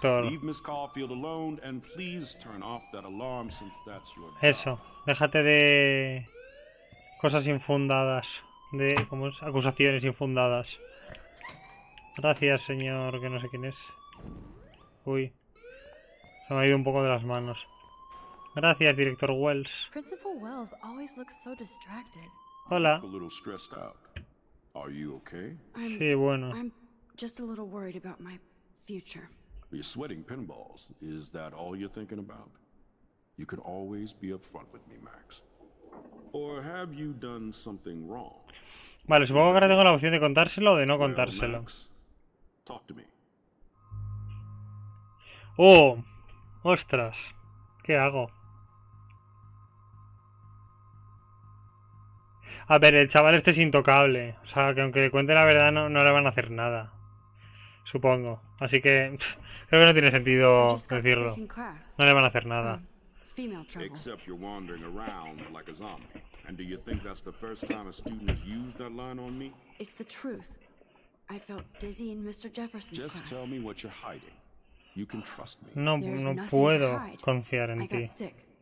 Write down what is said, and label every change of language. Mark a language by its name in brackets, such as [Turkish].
[English] Leave Miss Caulfield alone and please turn off that alarm since that's your job. [Spanish] Eso. Déjate de cosas infundadas, de como es, acusaciones infundadas. Gracias, señor, que no sé quién es. Uy. Se me ha ido un poco de las manos. Gracias, director Wells. [English] Principal Wells always looks so distracted. [Spanish] Hola. [English] A little stressed out. Are you okay? [Spanish] Sí, bueno. [English] I'm just a little worried about my future. You're sweating pinballs. Is that all you're thinking about? You could always be upfront with me, Max. Or have you done something wrong? [Spanish] Vale, supongo que ahora tengo la opción de contárselo o de no contárselo. ¡Oh! ¡Ostras! ¿Qué hago? A ver, el chaval este es intocable. O sea, que aunque le cuente la verdad, no le van a hacer nada. Supongo. Así que creo que no tiene sentido decirlo. No le van a hacer nada. [English] Except you're wandering around like a zombie. And do you think that's the first time a student has used that line on me? It's the truth. I felt dizzy in Mr. Jefferson's class. Just tell me what you're hiding. You can trust me. [Spanish] No puedo confiar en ti. [English] I got sick.